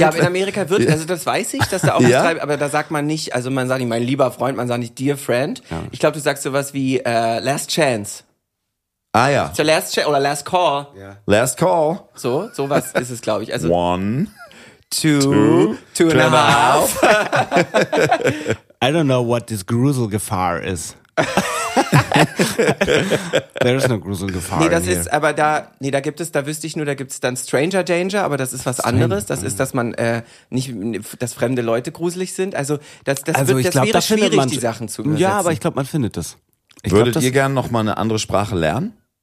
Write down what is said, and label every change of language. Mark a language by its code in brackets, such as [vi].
[de] Ja, aber in Amerika wird, also das weiß ich, dass da auch ja? bis drei, aber da sagt man nicht, also man sagt nicht mein lieber Freund, man sagt nicht [en] dear friend. [de] Ja. Ich glaube, du sagst sowas wie [en] last chance. [de] Ah ja. So [en] last chance [de] oder [en] last call. Yeah. Last call. [de] So, sowas ist es, glaube ich. Also, [en] one. Two and a half. I don't know what this Gruselgefahr is. There is no Gruselgefahr. [de] Nee, das ist, aber da wüsste ich nur, da gibt es dann [en] Stranger Danger, [de] aber das ist was anderes. Das ist, dass man nicht, dass fremde Leute gruselig sind. Also das wäre schwierig, man, die Sachen zu übersetzen. Ja, aber ich glaube, man findet das. Würdet ihr gerne nochmal eine andere Sprache lernen?